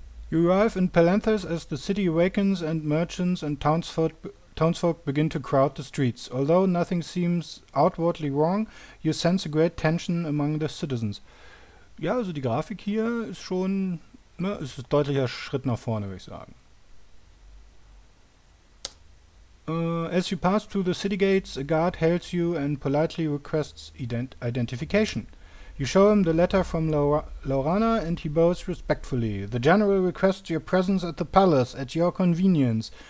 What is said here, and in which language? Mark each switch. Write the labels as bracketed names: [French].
[English] You arrive in Palanthas as the city awakens and merchants and townsfolk begin to crowd the streets. Although nothing seems outwardly wrong, you sense a great tension among the citizens. [German] Ja, also die Grafik hier ist schon, ne, ist ein deutlicher Schritt nach vorne, würde ich sagen. [English] As you pass through the city gates, a guard hails you and politely requests identification. You show him the letter from Laurana and he bows respectfully. The general requests your presence at the palace at your convenience.